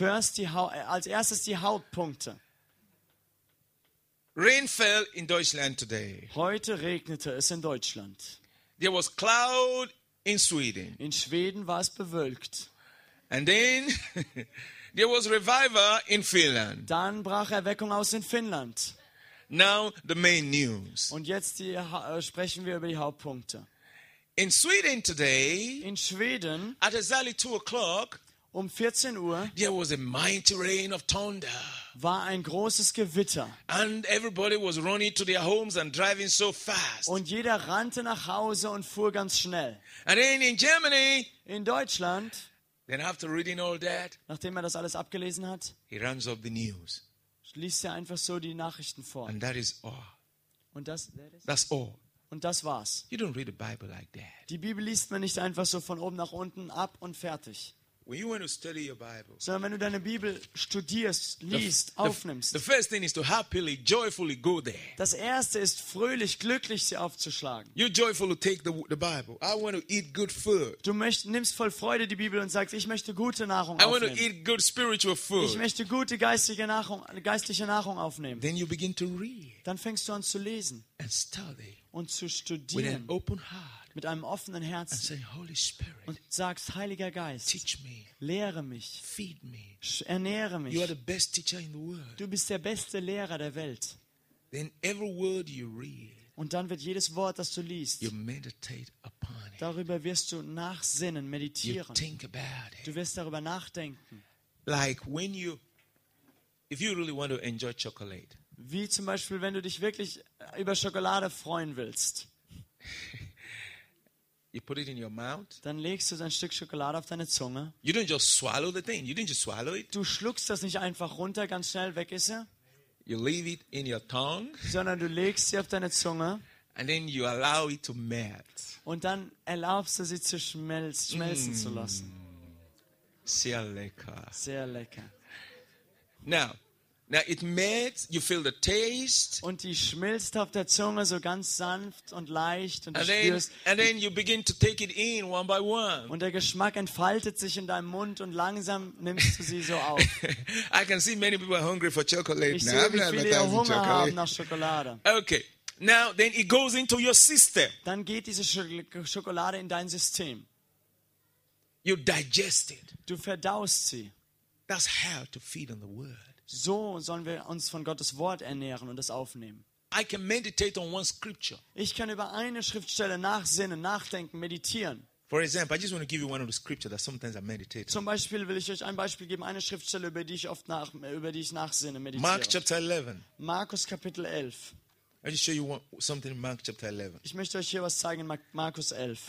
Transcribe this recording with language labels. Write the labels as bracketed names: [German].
[German] Als erstes die Hauptpunkte. [English] Rain fell in Deutschland today. [German] Heute regnete es in Deutschland. [English] There was cloud in Sweden. [German] In Schweden war es bewölkt. [English] And then there was revival in Finland. [German] Dann brach Erweckung aus in Finnland. [English] Now the main news. [German] Und jetzt sprechen wir über die Hauptpunkte. [English] In Sweden today. [German] In Schweden. [English] At exactly 2:00. [German] Um 14 Uhr. [English] There was a mighty rain of thunder. [German] War ein großes Gewitter. [English] And everybody was running to their homes and driving so fast. [German] Und jeder rannte nach Hause und fuhr ganz schnell. [English] And then in Germany. [German] In Deutschland. [English] Then after reading all that. [German] Nachdem er das alles abgelesen hat. [English] He runs up the news. [German] Liest er einfach so die Nachrichten vor. [English] And that is all. [German] Und das. [English] That's all. [German] Und das war's. [English] You don't read the Bible like that. [German] Die Bibel liest man nicht einfach so von oben nach unten ab und fertig. [English] When you want to study your Bible, [German] so wenn du deine Bibel studierst, liest, aufnimmst. [English] The first thing is to happily, joyfully go there. [German] Das erste ist fröhlich, glücklich sie aufzuschlagen. [English] You joyfully take the Bible. I want to eat good food. [German] Du nimmst voll Freude die Bibel und sagst, ich möchte gute Nahrung aufnehmen. [English] I want to eat good spiritual food. [German] Ich möchte gute geistliche Nahrung aufnehmen. [English] Then you begin to read. [German] Dann fängst du an zu lesen. [English] And study. [German] Und zu studieren. [English] With an open heart. [German] Mit einem offenen Herzen [English] and say, Holy Spirit, [German] und sagst, Heiliger Geist, [English] teach me, [German] lehre mich, [English] feed me, [German] ernähre mich. [English] You are the best teacher in the world. [German] Du bist der beste Lehrer der Welt. [English] Then every word you read, [German] und dann wird jedes Wort, das du liest, [English] you meditate upon it. [German] Darüber wirst du nachsinnen, meditieren. [English] You think about it. [German] Du wirst darüber nachdenken. [English] Like when you, if you really want to enjoy chocolate. [German] Wie zum Beispiel, wenn du dich wirklich über Schokolade freuen willst. [English] You put it in your mouth. [German] Dann legst du ein Stück Schokolade auf deine Zunge. [English] You don't just swallow the thing. You didn't just swallow it. [German] Du schluckst das nicht einfach runter, ganz schnell weg ist er. [English] You leave it in your tongue. [German] Sondern du legst sie auf deine Zunge. [English] And then you allow it to melt. [German] Und dann erlaubst du sie zu schmelzen zu lassen. Sehr lecker. Sehr lecker. [English] Now it melts, you feel the taste. [German] Und die schmilzt auf der Zunge so ganz sanft und leicht und [English] and then you begin to take it in one by one. [German] Und der Geschmack entfaltet sich in deinem Mund und langsam nimmst du sie so auf. [English] I can see many people are hungry for chocolate. [German] Ich sehe, wie viele Hunger haben nach Schokolade. [English] Okay. Now then it goes into your system. [German] Dann geht diese Schokolade in dein System. [English] You digest it. [German] Du verdaust sie. [English] That's how to feed on the word. [German] So sollen wir uns von Gottes Wort ernähren und es aufnehmen. [English] I can meditate on one scripture. [German] Ich kann über eine Schriftstelle nachsinnen, nachdenken, meditieren. [English] For example, I just want to give you one of the scriptures that sometimes I meditate on. [German] Zum Beispiel will ich euch ein Beispiel geben, eine Schriftstelle, über die ich oft nach, über die ich nachsinne, meditiere. [English] Mark chapter 11. [German] Markus Kapitel 11. [English] I just show you something in Mark chapter 11. [German] Ich möchte euch hier was zeigen in Markus 11.